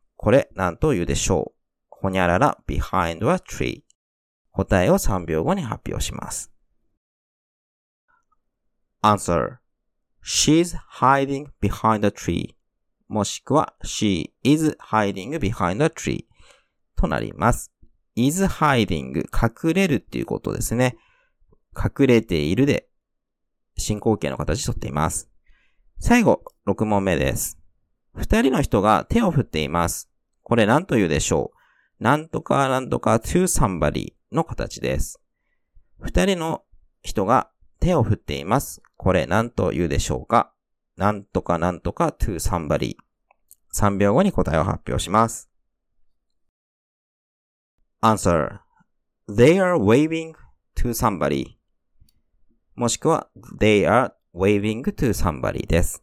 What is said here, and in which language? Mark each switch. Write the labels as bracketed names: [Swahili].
[Japanese] これ何と言うでしょう。ほにゃらら [English] behind a tree。 [Japanese] 答えを3秒後に発表します。 [English] Answer. She's hiding behind a tree. もしくは She is hiding behind a tree. [Japanese] となります。 [English] is hiding [Japanese] 隠れるっていうことですね。隠れているで進行形の形をとっています。最後、6問目です。2人の人が手を振っています。これ何と言うでしょう。なんとかなんとか [English] to somebody [Japanese] の形です。 2人の人が手を振っています。これ何と言うでしょうか。なんとかなんとか [English] to somebody。 [Japanese] 3秒後に答えを発表します。 [English] Answer. They are waving to somebody. もしくは They are waving to somebody です。